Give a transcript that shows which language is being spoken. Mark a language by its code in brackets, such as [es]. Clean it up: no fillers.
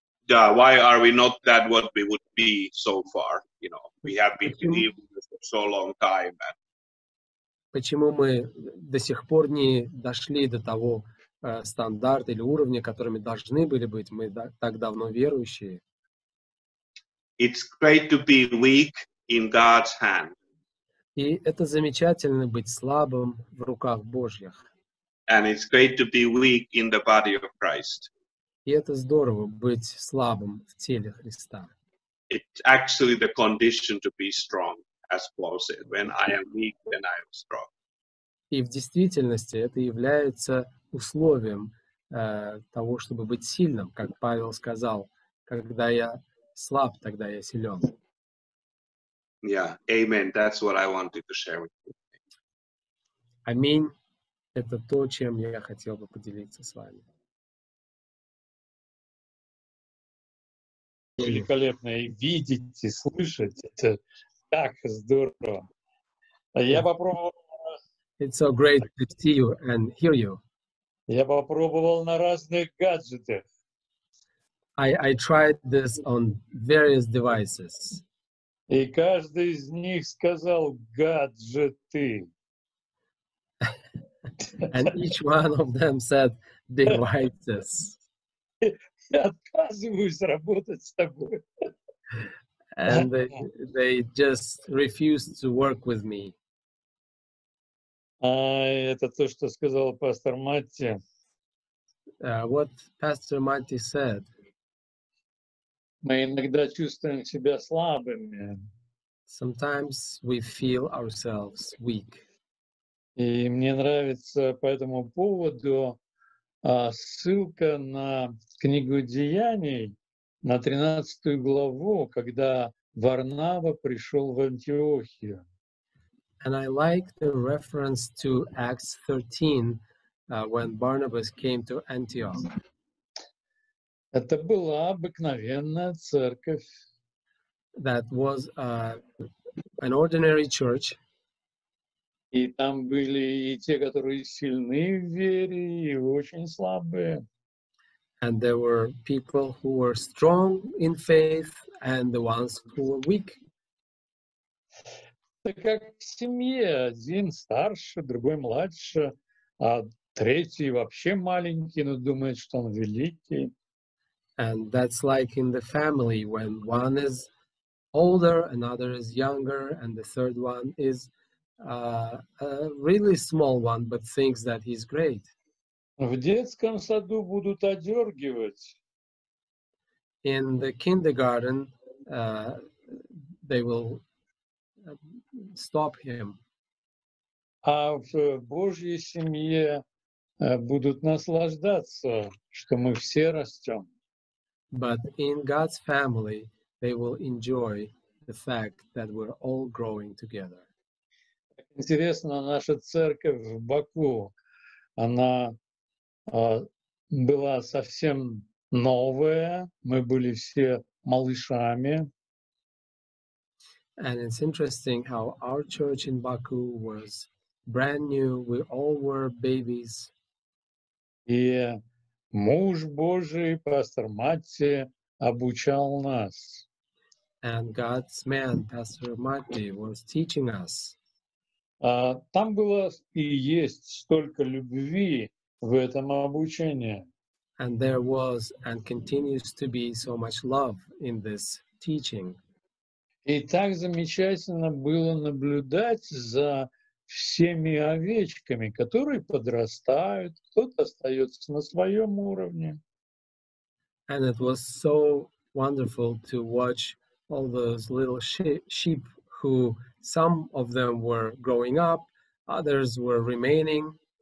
[en] Yeah, why are we not that what we would be so far? You know, we have been believing for so long time. [ru] Почему мы до сих пор не дошли до того стандарта или уровня, которыми должны были быть мы так давно верующие? [en] It's great to be weak in God's hand. [ru] И это замечательно быть слабым в руках Божьих. [en] And it's great to be weak in the body of Christ. [ru] И это здорово быть слабым в теле Христа. [en] It's actually the condition to be strong. As Paul said, when I am weak, then I am strong. [ru] И в действительности это является условием того, чтобы быть сильным, как Павел сказал, когда я слаб, тогда я силен. [en] Yeah, amen. That's what I wanted to share with you. [ru] Аминь. Это то, чем я хотел бы поделиться с вами. Великолепно. Видеть и слышать это. Так, здорово. Я попробовал... [en] It's so great to see you and hear you. [ru] Я попробовал на разных гаджетах. [en] I tried this on various devices. [ru] И каждый из них сказал гаджеты. [en] And each one of them said devices. [ru] Я отказываюсь работать с тобой. [en] And they just refused to work with me. [ru] Это то, что сказал пастор Матти. [en] What Pastor Matti said. [ru] Мы иногда чувствуем себя слабыми. [en] Sometimes we feel ourselves weak. [ru] И мне нравится по этому поводу ссылка на книгу Деяний, на 13 главу, когда Варнава пришел в Антиохию. [en] And I like the reference to Acts 13, when Barnabas came to Antioch. [ru] Это была обыкновенная церковь. [en] That was an ordinary church. [ru] И там были и те, которые сильны в вере, и очень слабые. [en] And there were people who were strong in faith and the ones who were weak. [ru] Это как в семье. Один старше, другой младше, а третий вообще маленький, но думает, что он великий. [en] And that's like in the family, when one is older, another is younger, and the third one is a really small one, but thinks that he's great. [ru] В детском саду будут одергивать. [en] In the kindergarten, they will stop him. [ru] А в Божьей семье будут наслаждаться, что мы все растем. [en] But in God's family, they will enjoy the fact that we're all growing together. [ru] Интересно, наша церковь в Баку, она была совсем новая, мы были все малышами. [en] And it's interesting how our church in Baku was brand new, we all were babies. [ru] И муж Божий, пастор Матти, обучал нас. [en] And God's man, Pastor Matti, was teaching us. [ru] Там было и есть столько любви в этом обучении. [en] And there was and continues to be so much love in this teaching. [ru] И так замечательно было наблюдать за всеми овечками, которые подрастают, кто-то остается на своем уровне. [en] And it was so wonderful to watch all those little sheep who some of them were growing up, others were remaining.